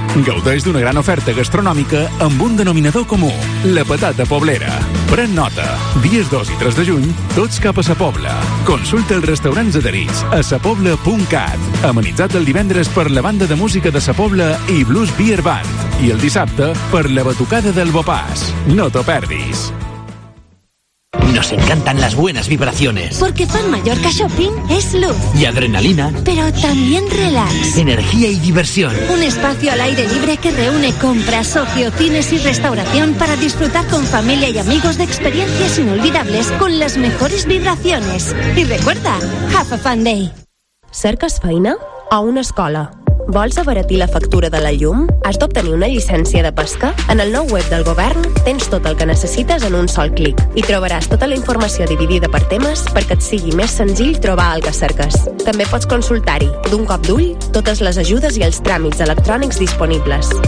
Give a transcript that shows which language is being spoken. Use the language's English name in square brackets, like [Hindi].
[Catalan] Gaudeix d'una gran oferta gastronòmica amb un denominador comú, la patata poblera. Pren nota. Dies 2 i 3 de juny, tots cap a Sa Pobla. Consulta els restaurants adherits a sapobla.cat. Amenitzat el divendres per la banda de música de Sa Pobla i Blues Beer Band. I el dissabte per la batucada del Bopàs. No t'ho perdis. [Spanish] Nos encantan las buenas vibraciones. Porque Fan Mallorca Shopping es luz. Y adrenalina. Pero también relax. Energía y diversión. Un espacio al aire libre que reúne compras, ocio, cines y restauración para disfrutar con familia y amigos de experiencias inolvidables con las mejores vibraciones. Y recuerda, [English] Have a Fun Day. [Catalan] ¿Cercas feina o una escola? Vols abaratir la factura de la llum? Has d'obtenir una llicència de pesca? En el nou web del govern tens tot el que necessites en un sol clic i trobaràs tota la informació dividida per temes perquè et sigui més senzill trobar el que cerques. També pots consultar-hi, d'un cop d'ull, totes les ajudes i els tràmits electrònics disponibles.